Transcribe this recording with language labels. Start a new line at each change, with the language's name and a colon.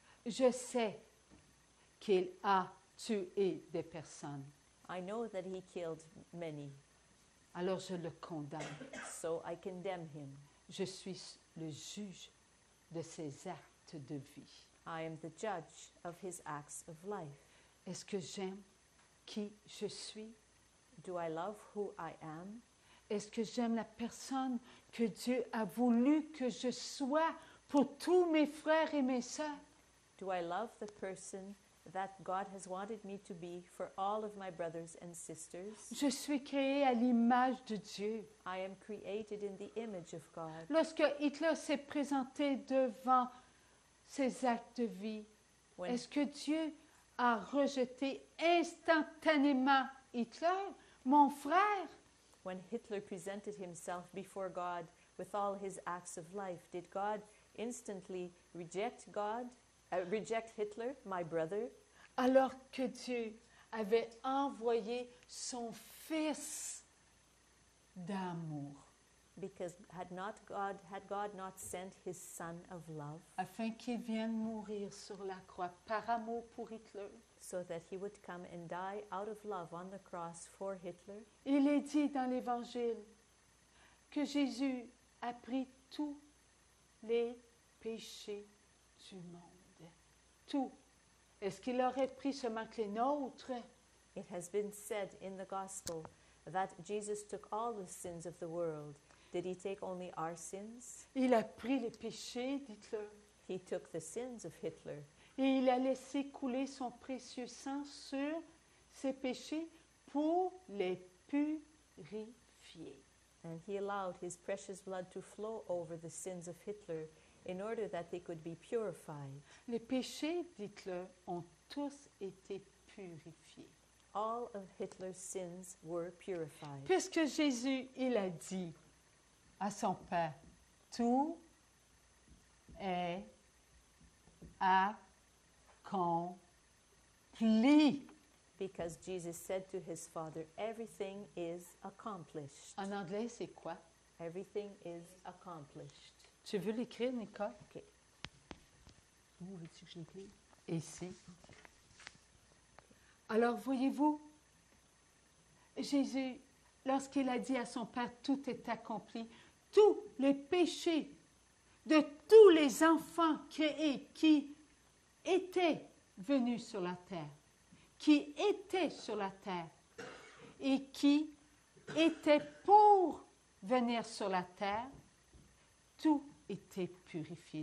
French: Je sais qu'il a tué des personnes.
English: I know that he killed many.
French: Alors je le condamne.
English: So I condemn him.
French: Je suis le juge de ses actes de vie.
English: I am the judge of his acts of life.
French: Est-ce que j'aime qui je suis?
English: Do I love who I am?
French: Est-ce que j'aime la personne que Dieu a voulu que je sois pour tous mes frères et mes sœurs?
English: Do I love the person that God has wanted me to be for all of my brothers and sisters?
French: Je suis créée à l'image de Dieu.
English: I am created in the image of God.
French: Lorsque Hitler s'est présenté devant ses actes de vie, est-ce que Dieu a rejeté instantanément Hitler, mon frère?
English: When Hitler presented himself before God with all his acts of life, did God instantly reject God? Reject Hitler, my brother.
French: Alors que Dieu avait envoyé son fils d'amour.
English: Because had God not sent his son of love?
French: Afin qu'il vienne mourir sur la croix par amour pour Hitler.
English: So that he would come and die out of love on the cross for Hitler.
French: Il est dit dans l'Évangile que Jésus a pris tous les péchés du monde. Tout. Est-ce qu'il aurait pris seulement les nôtres?
English: It has been said in the gospel that Jesus took all the sins of the world. Did he take only our sins?
French: Il a pris les péchés d'Hitler.
English: He took the sins of Hitler.
French: Et il a laissé couler son précieux sang sur ses péchés pour les purifier.
English: And he allowed his precious blood to flow over the sins of Hitler in order that they could be purified.
French: Les péchés d'Hitler ont tous été purifiés.
English: All of Hitler's sins were purified.
French: Puisque Jésus, il a dit à son père, tout est accompli.
English: Because Jesus said to his father, everything is accomplished.
French: En anglais, c'est quoi?
English: Everything is accomplished.
French: Tu veux l'écrire, Nicole?
English: OK.
French: Où veux-tu que je l'écrive? Ici. Alors, voyez-vous, Jésus, lorsqu'il a dit à son Père, tout est accompli, tous les péchés de tous les enfants créés qui étaient venus sur la terre, qui étaient sur la terre et qui étaient pour venir sur la terre, tout était purifié.